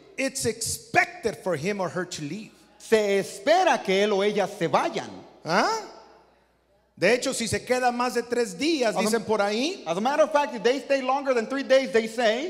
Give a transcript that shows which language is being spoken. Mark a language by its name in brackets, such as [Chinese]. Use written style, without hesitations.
[English] It's expected for him or her to leave. [Spanish] Se espera que él o ella se vayan. ¿Ah? De hecho, si se queda más de tres días, dicen por ahí. [English] As a matter of fact, if they stay longer than 3 days, they say.